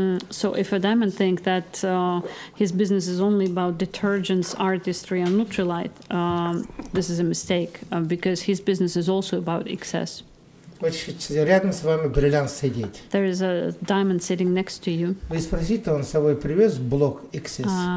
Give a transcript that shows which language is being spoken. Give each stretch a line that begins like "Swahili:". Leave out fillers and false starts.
English: So if a diamond thinks that his business is only about detergents, artistry, and Nutrilite, this is a mistake because his business is also about excess.
Russian: Рядом с вами бриллиант сидит.
English: There is a diamond sitting next to you.
Russian: Вы спросите, он с собой привез блок excess.